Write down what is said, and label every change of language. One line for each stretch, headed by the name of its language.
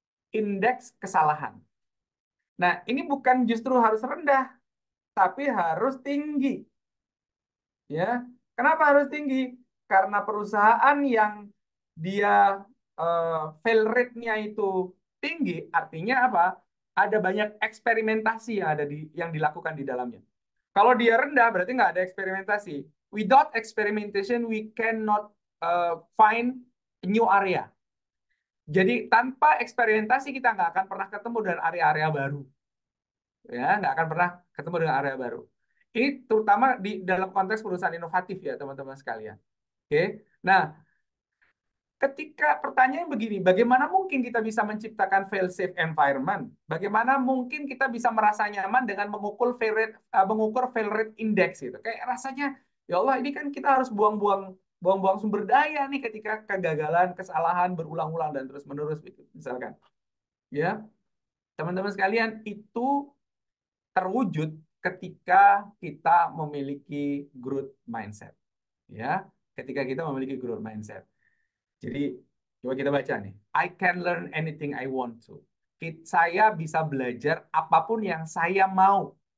Indonesian: Indeks kesalahan. Nah, ini bukan justru harus rendah, tapi harus tinggi. Ya, kenapa harus tinggi? Karena perusahaan yang dia fail rate-nya itu tinggi, artinya apa? Ada banyak eksperimentasi yang ada di yang dilakukan di dalamnya. Kalau dia rendah, berarti nggak ada eksperimentasi.
English: Without experimentation, we cannot find new area.
Indonesian: Jadi tanpa eksperimentasi kita nggak akan pernah ketemu dengan area-area baru, ya nggak akan pernah ketemu dengan area baru. Ini terutama di dalam konteks perusahaan inovatif ya teman-teman sekalian. Oke, nah ketika pertanyaan begini, bagaimana mungkin kita bisa menciptakan fail-safe environment? Bagaimana mungkin kita bisa merasa nyaman dengan mengukur fail rate index gitu? Kayak rasanya ya Allah ini kan kita harus buang-buang sumber daya nih ketika kegagalan, kesalahan berulang-ulang dan terus-menerus misalkan. Ya. Teman-teman sekalian, itu terwujud ketika kita memiliki growth mindset. Ya, ketika kita memiliki growth mindset. Jadi, coba kita baca nih.
English: I can learn anything I want to.
Indonesian: Saya bisa belajar apapun yang saya mau.